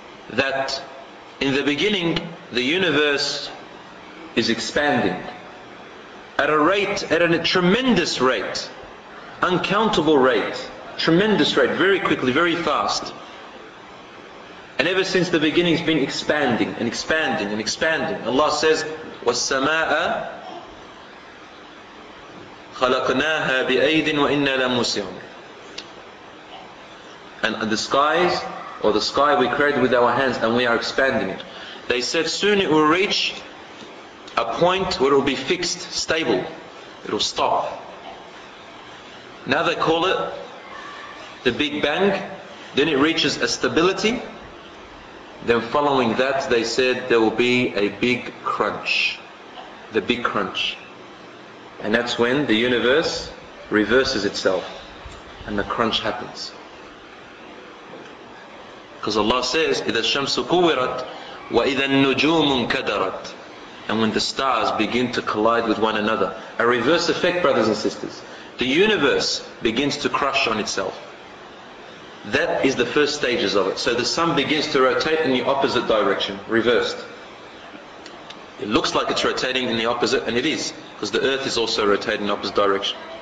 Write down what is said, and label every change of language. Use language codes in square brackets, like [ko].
[en] That in the beginning, the universe is expanding at a rate, at a tremendous rate, uncountable rate, tremendous rate, very quickly, very fast. And ever since the beginning, it's been expanding and expanding and expanding. Allah says, [ar] وَالسَّمَاءَ خَلَقْنَاهَا بِأَيْدٍ وَإِنَّا لَمُسْيَوْنَ. [en] And the skies, or the sky we created with our hands, and we are expanding it. They said soon it will reach a point where it will be fixed, stable. It will stop. Now they call it the Big Bang. Then it reaches a stability. Then following that, they said there will be a big crunch. The big crunch. And that's when the universe reverses itself and the crunch happens. Because Allah says, [ar] إِذَا الشَّمْسُ كُوِّرَتْ وَإِذَا النُّجُومُ انْكَدَرَتْ. [en] And when the stars begin to collide with one another. A reverse effect, brothers and sisters. The universe begins to crush on itself. That is the first stages of it. So the sun begins to rotate in the opposite direction, reversed. It looks like it's rotating in the opposite, and it is, because the earth is also rotating in the opposite direction.